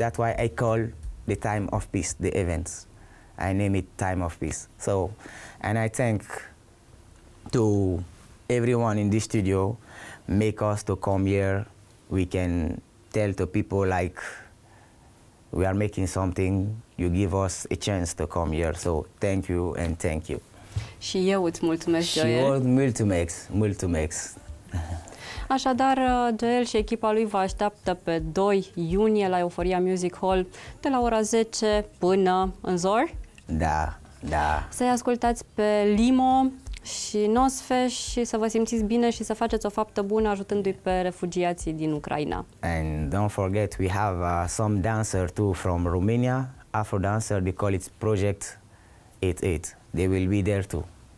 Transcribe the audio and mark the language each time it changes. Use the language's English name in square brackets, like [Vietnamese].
[English] That's why I call the time of peace, the events. I name it time of peace. So, and I thank to everyone in this studio, make us to come here. We can tell to people like we are making something. You give us a chance to come here. So thank you and thank you. [Romanian] Și eu îți mulțumesc, Joel. Și eu îți mulțumesc. Așadar, Joel și echipa lui vă așteaptă pe 2 iunie la Euphoria Music Hall de la ora 10 până în zor. Da, da. Să-i ascultați pe Limo și Nosfe și să vă simțiți bine și să faceți o faptă bună ajutându-i pe refugiații din Ucraina. [English] And don't forget, we have some dancer too from Romania, Afro dancer, they call it Project 88. They will be there too.